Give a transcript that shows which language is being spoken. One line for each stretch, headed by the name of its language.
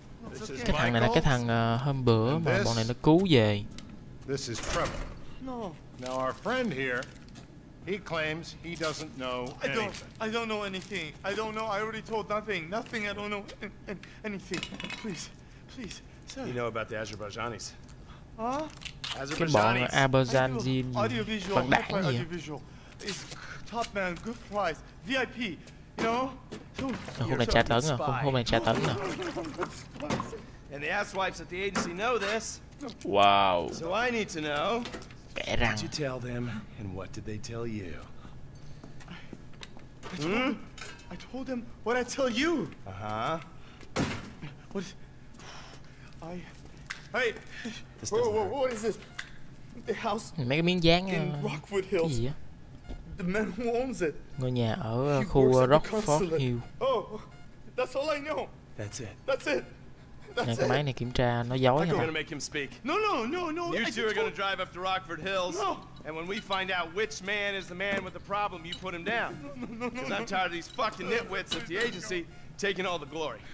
English: This is
Vietnamese: cái thằng này là cái thằng hôm bữa mà bọn này nó cứu về.
English: This is Trevor. No. Now our friend here, he claims he doesn't know anything. I don't know anything. I don't know. I already told nothing. Nothing. I don't know anything. Please, please, sir. You know about the Azerbaijanis? Huh?
Vietnamese: Cái bọn Azerbaijan phản đảng gì
English: top man, good price, VIP, you know?
Vietnamese: Hôm nay trả tấn à, hôm nay trả tấn à.
English: And the asswipes at the agency know this. Wow. So I need to know.
Vietnamese: Bẻ răng.
English: What did you tell them, and what did they tell you? I told them what I tell you. Uh-huh. What? I... Hey! What is this? The house.
Vietnamese: Mấy cái miếng dán
English: in Rockwood Hills.
Vietnamese: Cái gì á?
English: The man who owns it.
Vietnamese: Ngôi nhà ở khu Rockford Hill.
English: Oh, that's all I know. That's it.
Vietnamese: Nghe cái máy này kiểm tra nó dối hả?
English: Gonna make him speak. No. You two are gonna drive up to Rockford Hills. No. And when we find out which man is the man with the problem, you put him down. No. Because I'm tired of these fucking nitwits at the agency taking all the glory.